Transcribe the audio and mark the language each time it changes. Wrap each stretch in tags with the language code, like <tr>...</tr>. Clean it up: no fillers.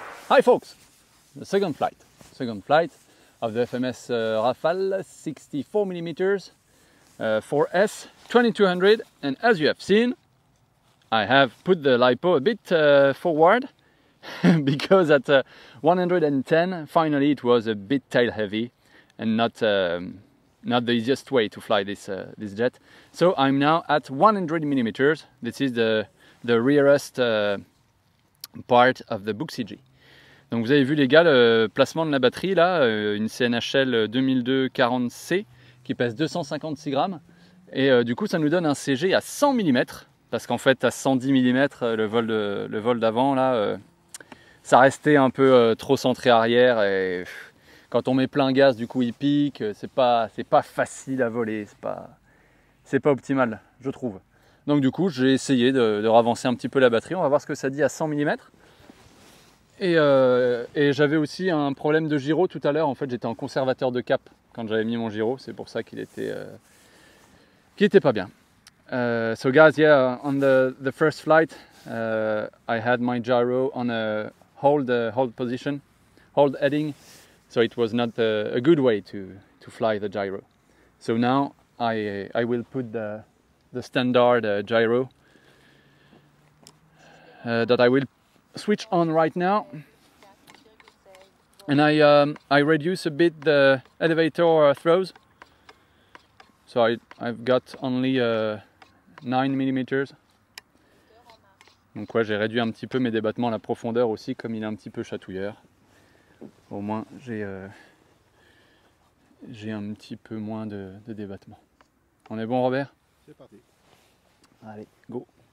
<en>Hi folks, the second flight of the FMS Rafale 64mm 4S 2200, and as you have seen, I have put the LiPo a bit forward because at 110 finally it was a bit tail heavy and not the easiest way to fly this this jet. So I'm now at 100mm. This is the rearest part of the Book CG.</en> <fr>Donc vous avez vu les gars le placement de la batterie là, une CNHL 2240C qui pèse 256 grammes et du coup ça nous donne un CG à 100 mm parce qu'en fait à 110 mm le vol d'avant là ça restait un peu trop centré arrière et quand on met plein gaz du coup il pique, c'est pas facile à voler, c'est pas optimal je trouve. Donc du coup j'ai essayé de ravancer un petit peu la batterie, on va voir ce que ça dit à 100 mm. Et j'avais aussi un problème de gyro tout à l'heure, en fait j'étais en conservateur de cap quand j'avais mis mon gyro, c'est pour ça qu'il était pas bien.</fr> <en>So guys, yeah, on the first flight, I had my gyro on a hold position, hold heading, so it was not a good way to fly the gyro. So now I will put the standard gyro that I will switch on right now, and I reduce a bit the elevator throws, so I've got only 9mm.</en> <fr>Donc ouais, j'ai réduit un petit peu mes débattements à la profondeur aussi, comme il est un petit peu chatouilleur. Au moins j'ai un petit peu moins de débattements. On est bon, Robert? C'est parti. Allez, go.</fr>